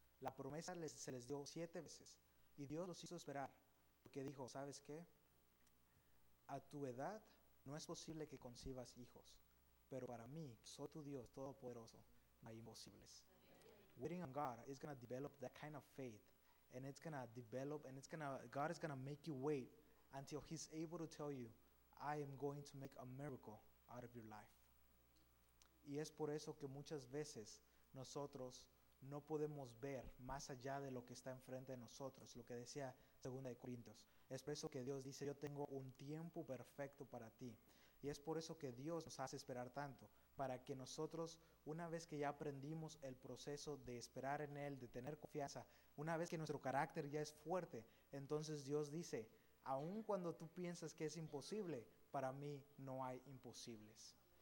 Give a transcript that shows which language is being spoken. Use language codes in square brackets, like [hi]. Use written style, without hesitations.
[es] La promesa se les dio 7 veces. Y Dios los hizo esperar porque dijo, ¿sabes qué? A tu edad no es posible que concibas hijos. Pero para mí, soy tu Dios Todopoderoso, no hay imposibles. [en] Waiting on God is going to develop that kind of faith. And it's going to develop, and it's going to, God is going to make you wait until He's able to tell you, I am going to make a miracle out of your life. [es] Y es por eso que muchas veces nosotros no podemos ver más allá de lo que está enfrente de nosotros, lo que decía 2 de Corintios. Es por eso que Dios dice, yo tengo un tiempo perfecto para ti. Y es por eso que Dios nos hace esperar tanto, para que nosotros, una vez que ya aprendimos el proceso de esperar en Él, de tener confianza, una vez que nuestro carácter ya es fuerte, entonces Dios dice, aun cuando tú piensas que es imposible, para mí no hay imposibles.